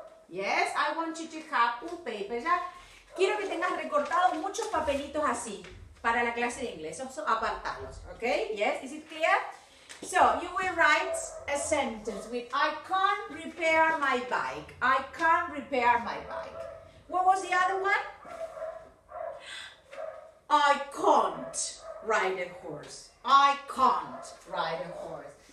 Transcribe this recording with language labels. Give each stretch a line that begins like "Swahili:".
English: Yes, I want you to have a paper.
Spanish: Ya. Quiero que tengas recortados muchos papelitos así para la clase de inglés.
English: Also, apartarlos. Okay? Yes, is it clear? So, you will write a sentence with I can't repair my bike. I can't repair my bike. What was the other one? I can't ride a horse. I can't ride a horse.